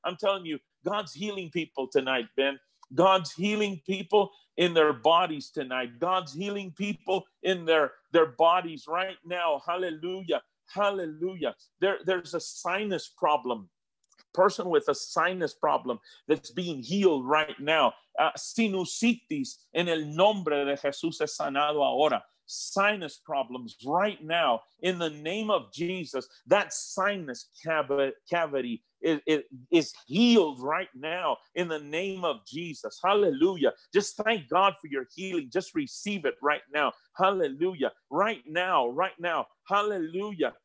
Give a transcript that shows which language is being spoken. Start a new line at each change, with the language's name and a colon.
English: I'm telling you, God's healing people tonight, Ben. God's healing people in their bodies tonight. God's healing people in their bodies right now. Hallelujah. Hallelujah. There's a sinus problem. Person with a sinus problem that's being healed right now.
Spanish: Sinusitis en el nombre de Jesús es sanado ahora.
English: Sinus problems right now in the name of Jesus. That sinus cavity is healed right now in the name of Jesus. Hallelujah. Just thank God for your healing. Just receive it right now. Hallelujah. Right now, right now. Hallelujah.